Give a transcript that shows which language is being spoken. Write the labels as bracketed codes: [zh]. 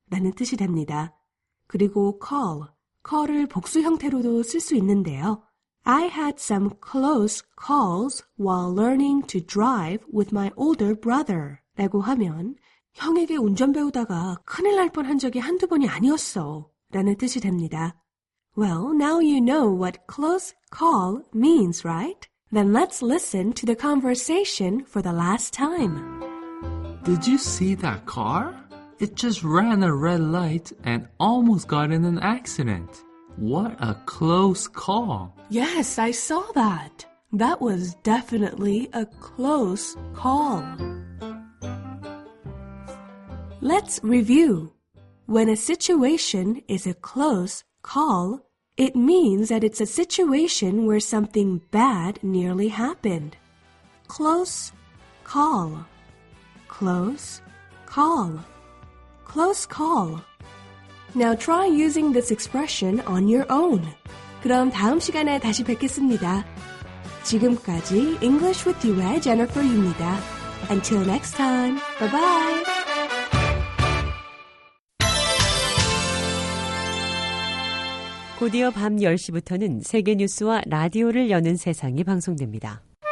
[ko] 라는 뜻이 됩니다. 그리고 call, call을 복수 형태로도 쓸 수 있는데요. [en] I had some close calls while learning to drive with my older brother. [ko] 라고 하면 형에게 운전 배우다가 큰일 날 뻔한 적이 한두 번이 아니었어. 라는 뜻이 됩니다. [en] Well, now you know what close call means, right? Then let's listen to the conversation for the last time. Did you see that car? It just ran a red light and almost got in an accident. What a close call. Yes, I saw that. That was definitely a close call. Let's review. When a situation is a close call, it means that it's a situation where something bad nearly happened. Close call. Close call. Close call. Now try using this expression on your own. [ko] 그럼 다음 시간에 다시 뵙겠습니다. 지금까지 English with you의 Jennifer입니다. Until next time, bye-bye. 곧이어 밤 10시부터는 세계뉴스와 라디오를 여는 세상이 방송됩니다.